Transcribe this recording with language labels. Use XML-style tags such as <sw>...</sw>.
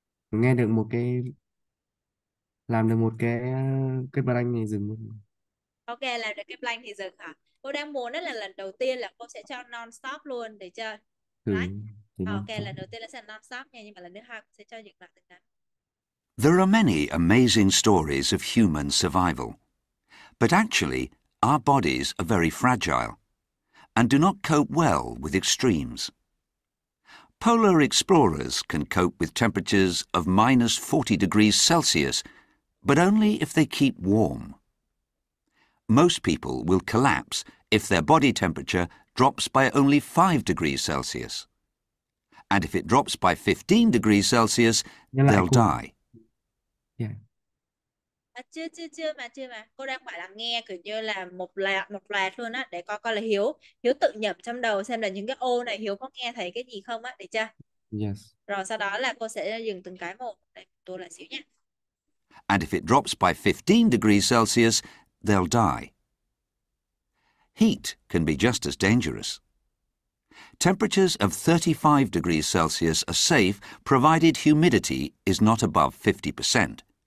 <vi>nghe được một cái làm được một cái bài anh này dừng luôn. Okay, làm được cái blank thì dừng hả? Cô đang muốn đó là lần đầu tiên là cô sẽ cho non-stop luôn để chơi.</vi> <en>Right?</en> <vi>Ừ, thì nó Ok, lần đầu tiên là sẽ non-stop nha, nhưng mà lần thứ hai sẽ cho dừng lại từ đó.</vi> <en>There are many amazing stories of human survival. But actually, our bodies are very fragile and do not cope well with extremes. Polar explorers can cope with temperatures of minus 40 degrees Celsius, but only if they keep warm. Most people will collapse if their body temperature drops by only 5 degrees Celsius. And if it drops by 15 degrees Celsius,</en> <vi>Nhớ lại</vi> <en>they'll</en> <vi>khung.</vi> <en>die.</en> <vi>À, chưa chưa chưa mà chưa mà cô đang phải là nghe kiểu như là một loạt luôn á, để coi là Hiếu Hiếu tự nhẩm trong đầu xem là những cái ô này Hiếu có nghe thấy cái gì không á, để chưa,</vi> <en>Yes.</en> <vi>rồi sau đó là cô sẽ dừng từng cái một để tôi lại xíu nha.</vi> <en>And if it drops by 15 degrees Celsius, they'll die. Heat can be just as dangerous. Temperatures of 35 degrees Celsius are safe, provided humidity is not above 50%.</en>